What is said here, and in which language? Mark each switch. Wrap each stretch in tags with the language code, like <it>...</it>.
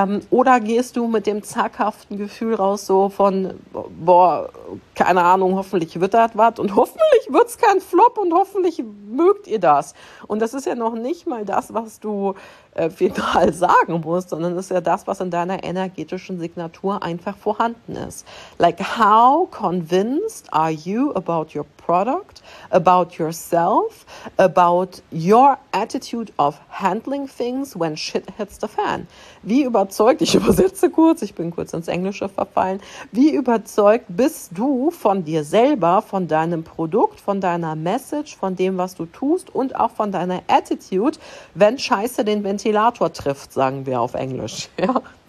<de>Oder gehst du mit dem zackhaften Gefühl raus, so von boah, keine Ahnung, hoffentlich wird das was und hoffentlich wird es kein Flop und hoffentlich mögt ihr das. Und das ist ja noch nicht mal das, was du final sagen musst, sondern das ist ja das, was in deiner energetischen Signatur einfach vorhanden ist.</de> <en>Like, how convinced are you about your product, about yourself, about your attitude of handling things when shit hits the fan?</en> <de>Wie überzeugt, ich übersetze kurz, ich bin kurz ins Englische verfallen, wie überzeugt bist du von dir selber, von deinem Produkt, von deiner Message, von dem, was du tust und auch von deiner Attitude, wenn Scheiße den Ventilator trifft, sagen wir auf Englisch, ja?</de>